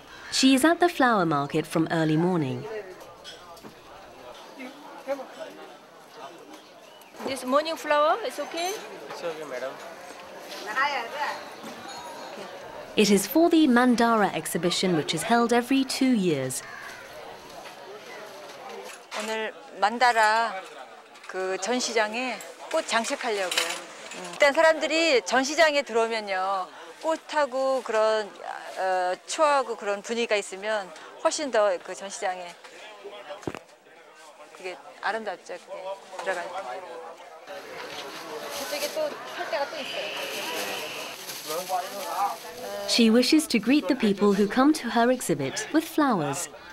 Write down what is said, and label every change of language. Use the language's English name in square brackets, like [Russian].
[English] She is at the flower market from early morning. This morning flower is okay? It's okay, madam. It is for the Mandara exhibition, which is held every 2 years. [Korean] 오늘 만다라 그 전시장에 꽃 장식하려고요. 일단 사람들이 전시장에 들어오면요, 꽃하고 그런 추하고 그런 분위기가 있으면 훨씬 더 그 전시장에 그게 아름답죠. 그게 들어갈 때. 그쪽에 또 할 때가 또 있어요. [English] She wishes to greet the people who come to her exhibit with flowers.